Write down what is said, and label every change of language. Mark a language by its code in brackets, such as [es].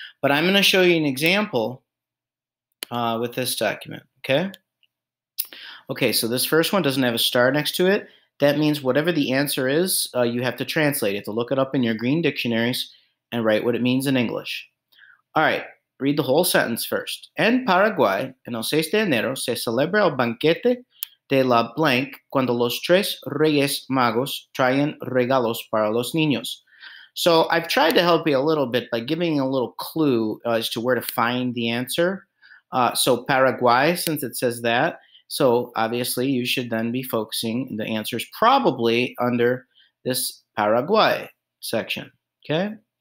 [en] But I'm going to show you an example with this document, okay? Okay, so this first one doesn't have a star next to it. That means whatever the answer is, you have to translate. You have to look it up in your green dictionaries and write what it means in English. All right, read the whole sentence first. [es] En Paraguay, en el 6 de enero, se celebra el banquete de la blank cuando los tres reyes magos traen regalos para los niños. [en] So I've tried to help you a little bit by giving a little clue as to where to find the answer. So Paraguay, since it says that, so obviously you should then be focusing the answers probably under this Paraguay section, okay?